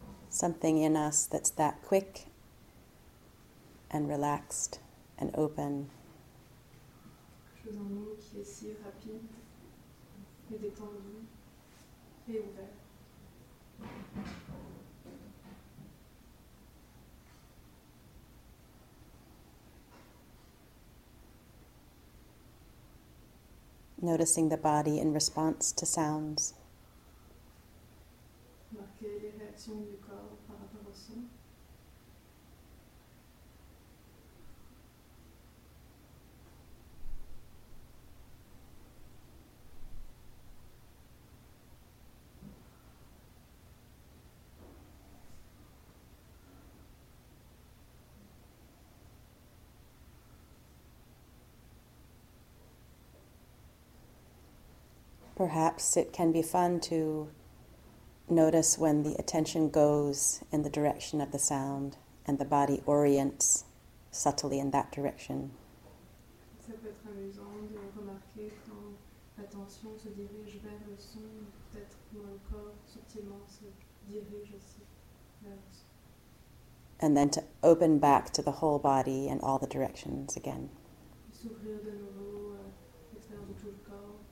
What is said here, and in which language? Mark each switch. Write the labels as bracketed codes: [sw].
[en] Something in us that's that quick and relaxed and open. [fr] Quelque chose en nous qui est si rapide et détendu et ouvert. [en] Noticing the body in response to sounds. [fr] Marquer les réactions du corps par rapport au son. [en] Perhaps it can be fun to notice when the attention goes in the direction of the sound and the body orients subtly in that direction. [fr] Ça peut être amusant de remarquer quand l'attention se dirige vers le son, peut-être où le corps subtilement se dirige aussi vers le son. [en] And then to open back to the whole body and all the directions again. [fr] S'ouvrir de nouveau à l'extérieur de tout le corps.